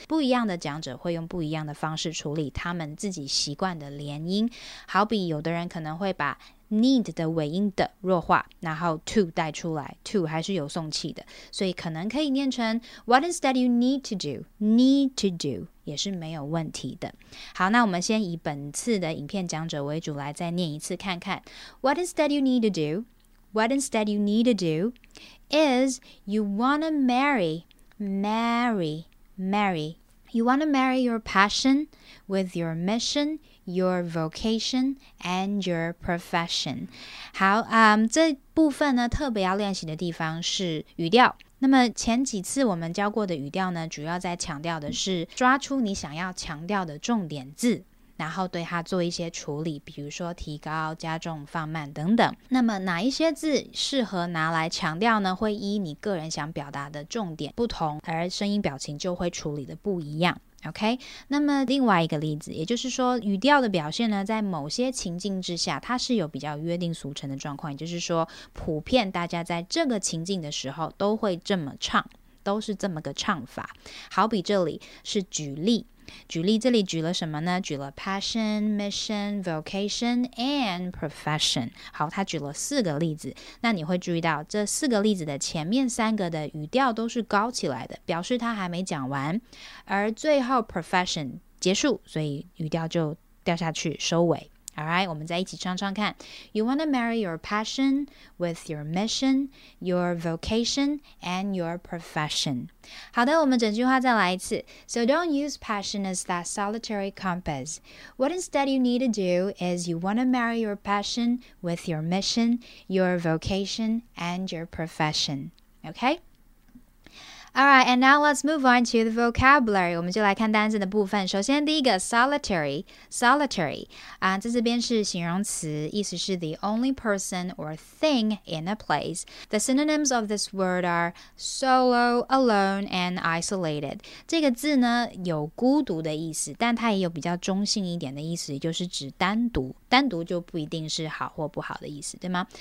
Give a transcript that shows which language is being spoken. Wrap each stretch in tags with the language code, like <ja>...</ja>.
<zh>不一样的讲者会用不一样的方式处理他们自己习惯的连音，好比有的人可能会把need 的尾音的弱化，然后 to 带出来， to 还是有送气的，所以可能可以念成</zh> <en>what instead you need to do,</en> <zh>need to do 也是没有问题的。好，那我们先以本次的影片讲者为主来再念一次看看。</zh> <en>What instead you need to do? What instead you need to do is you wanna marry, marry, marry. You wanna marry your passion with your mission,your vocation and your profession.</en> <zh>好，这部分呢特别要练习的地方是语调。那么前几次我们教过的语调呢，主要在强调的是抓出你想要强调的重点字，然后对它做一些处理，比如说提高、加重、放慢等等。那么哪一些字适合拿来强调呢？会依你个人想表达的重点不同，而声音表情就会处理的不一样。 OK， 那么另外一个例子，也就是说语调的表现呢，在某些情境之下它是有比较约定俗成的状况，也就是说普遍大家在这个情境的时候都会这么唱，都是这么个唱法。好比这里是举例，举例这里举了什么呢？举了</zh> <en>passion, mission, vocation and profession。</en> <zh>好，他举了四个例子，那你会注意到这四个例子的前面三个的语调都是高起来的，表示他还没讲完，而最后 profession 结束，所以语调就掉下去收尾。</zh> <en>Alright,</en> <zh>我们再一起唱唱看。</zh> <en>You wanna marry your passion with your mission, your vocation and your profession。</en> <zh>好的，我们整句话再来一次。</zh> <en>So don't use passion as that solitary compass. What instead you need to do is you want to marry your passion with your mission, your vocation and your profession. Okay? Alright, and now let's move on to the vocabulary.</en> <zh>我们就来看单字的部分。首先第一个 solitary, solitary, 在这边是形容词，意思是</zh> <en>the only person or thing in a place. The synonyms of this word are solo, alone, and isolated.</en> <zh>这个字呢有孤独的意思，但它也有比较中性一点的意思，也就是指单独。单独就不一定是好或不好的意思，对吗？</zh>